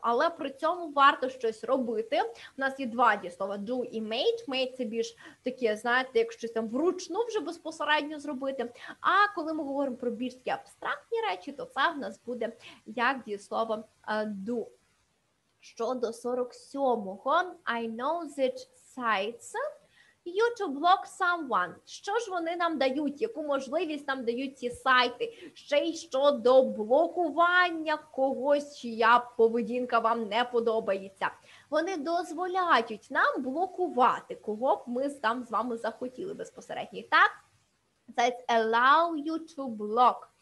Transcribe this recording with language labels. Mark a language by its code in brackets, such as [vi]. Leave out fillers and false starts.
[uk] Але при цьому варто щось робити. У нас є два дієслова – do і made. Made – це більш таке, знаєте, як щось там вручну вже безпосередньо зробити. А коли ми говоримо про більш такі абстрактні речі, то це в нас буде як дієслово do. Щодо 47-го, [en] I know that sites you to block someone. [uk] Що ж вони нам дають? Яку можливість нам дають ці сайти? Ще й щодо блокування когось, чия поведінка вам не подобається. Вони дозволяють нам блокувати, кого б ми там з вами захотіли безпосередньо. [en] Так? Sites allow you to block.